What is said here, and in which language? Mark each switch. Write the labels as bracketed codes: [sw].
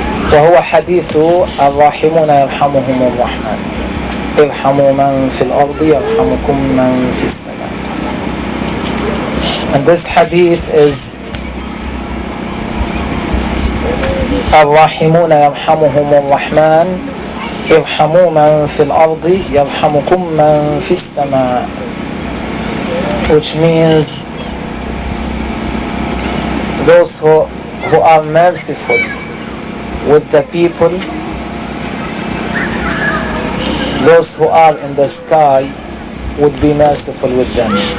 [ar] فهو حديث الراحمون يرحمهم الرحمن. ارحموا من في الأرض يرحمكم من في السماء. [en] And this hadith is [ar] الراحمون يرحمهم الرحمن. ارحموا من في الأرض يرحمكم من في السماء. [en] Which means those who are merciful with the people, those who are in the sky would be merciful with them.